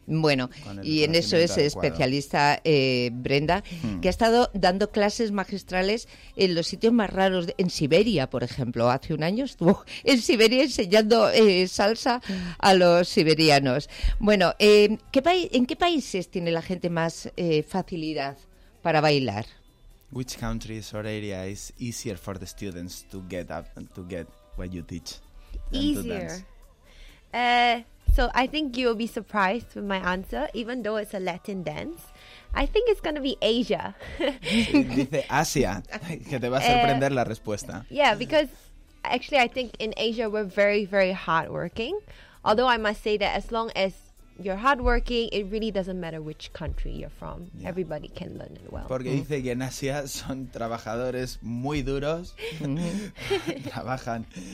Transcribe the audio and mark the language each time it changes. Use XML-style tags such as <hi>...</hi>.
<es>Bueno, y en eso es especialista Brenda, que ha estado dando clases magistrales en los sitios más raros, en Siberia, por ejemplo. Hace un año estuvo en Siberia enseñando salsa a los siberianos. Bueno, ¿en qué países tiene la gente más facilidad para bailar?</es> <en>Which countries or area is easier for the students to get up and to get what you teach? Easier. So I think you'll be surprised with my answer, even though it's a Latin dance. I think it's going to be Asia.</en> <es>Dice Asia, que te va a sorprender la respuesta.</es> <en>Yeah, because actually I think in Asia we're very, very hardworking. Although I must say that as long as you're hardworking, it really doesn't matter which country you're from. Yeah. Everybody can learn it well.</en> <es>Porque dice que en Asia son trabajadores muy duros. Trabajan.</es>